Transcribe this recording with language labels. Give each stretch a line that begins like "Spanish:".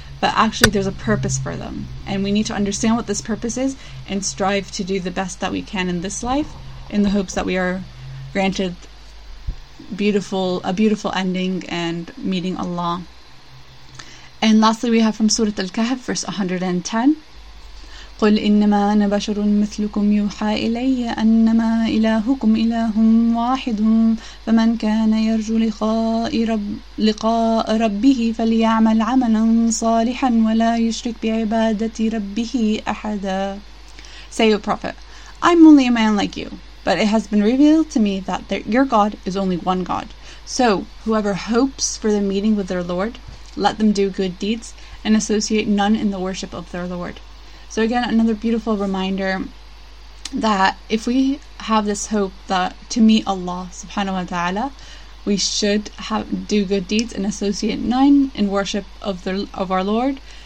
English: But actually, there's a purpose for them. And we need to understand what this purpose is and strive to do the best that we can in this life in the hopes that we are granted a beautiful ending and meeting Allah. And lastly, we have from Surah Al-Kahf, verse 110.
Arabic: قل إنما أنا بشر مثلكم يوحى إلي أنما إلهكم إله واحد فمن كان يرجو لقاء ربه فليعمل عملا صالحا ولا يشرك بعبادة ربه أحدا.
English: Say, O Prophet, I'm only a man like you, but it has been revealed to me that your God is only one God. So whoever hopes for the meeting with their Lord, let them do good deeds and associate none in the worship of their Lord. So again, another beautiful reminder that if we have this hope that to meet Allah subhanahu wa ta'ala, we should do good deeds and associate none in worship of our Lord.